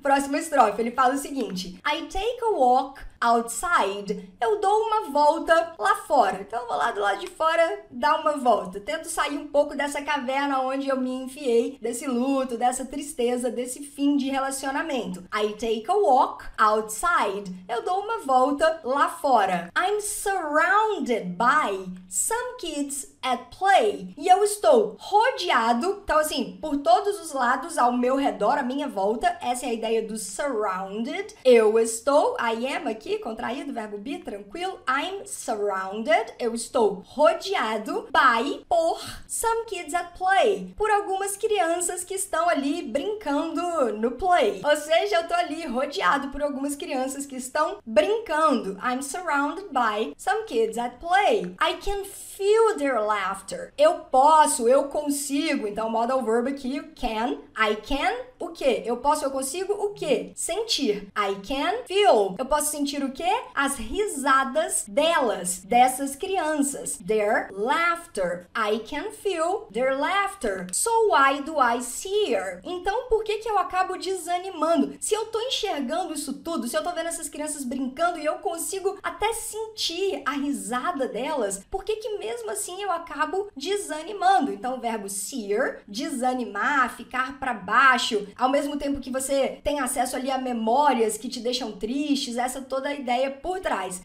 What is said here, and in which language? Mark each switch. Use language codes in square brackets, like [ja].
[pt] Próxima estrofe, ele fala o seguinte: [en] I take a walk outside, [pt] eu dou uma volta lá fora. Então eu vou lá do lado de fora dar uma volta. Tento sair um pouco dessa caverna onde eu me enfiei, desse luto, dessa tristeza, desse fim de relacionamento. [en] I take a walk outside, [pt] eu dou uma volta lá fora. [en] I'm surrounded by some kids at play. [pt] E eu estou rodeado, então assim, por todos os lados ao meu redor, à minha volta. Essa é a ideia do surrounded. Eu estou, I am aqui, contraído, verbo be, tranquilo. [en] I'm surrounded, [pt] eu estou rodeado [en] by, por some kids at play. [pt] Por algumas crianças que estão ali brincando no play. Ou seja, eu tô ali rodeado por algumas crianças que estão brincando. [en] I'm surrounded by some kids at play. I can feel their laughter. [pt] Eu posso, eu consigo. Então, modal verbo aqui, can. [en] I can, [pt] o quê? Eu posso, eu consigo, o quê? Sentir. [en] I can feel. [pt] Eu posso sentir o quê? As risadas delas, dessas crianças. [en] Their laughter. I can feel their laughter. So why do I see her? [pt] Então, por que que eu acabo desanimando? Se eu tô enxergando isso tudo, se eu tô vendo essas crianças brincando e eu consigo até sentir a risada delas, por que que mesmo assim eu acabo desanimando? Então, o verbo seer, desanimar, ficar para baixo, ao mesmo tempo que você tem acesso ali a memórias que te deixam tristes, essa toda a ideia por trás.